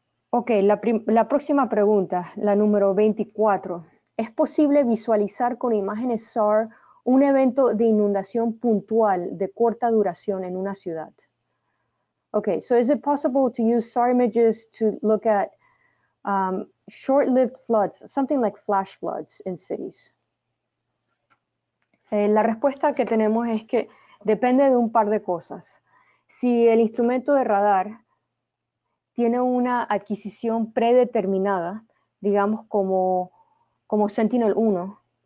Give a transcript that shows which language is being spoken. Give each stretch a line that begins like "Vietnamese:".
Spanish: Ok, la próxima pregunta, la número 24. ¿Es posible visualizar con imágenes SAR un evento de inundación puntual de corta duración en una ciudad?
English: Ok, so is it possible to use SAR images to look at short-lived floods, something like flash floods in cities?
Spanish: La respuesta que tenemos es que depende de un par de cosas. Si el instrumento de radar tiene una adquisición predeterminada, digamos como Sentinel-1.